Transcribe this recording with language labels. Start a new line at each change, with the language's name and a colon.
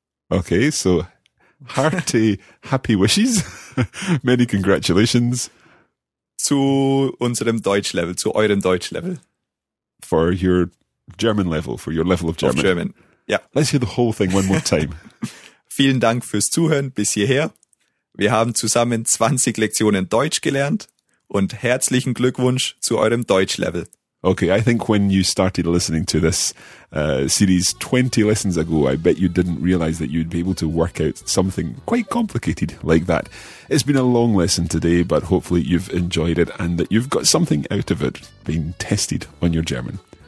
English: Okay, so hearty, happy wishes. Many congratulations.
German: Zu unserem Deutschlevel, zu eurem Deutschlevel.
English: For your German level, for your level of German. Of German, yeah. Let's hear the whole thing one more time.
German: Vielen Dank fürs Zuhören bis hierher. Wir haben zusammen 20 Lektionen Deutsch gelernt und herzlichen Glückwunsch zu eurem Deutschlevel.
English: Okay, I think when you started listening to this series 20 lessons ago, I bet you didn't realize that you'd be able to work out something quite complicated like that. It's been a long lesson today, but hopefully you've enjoyed it and that you've got something out of it being tested on your German.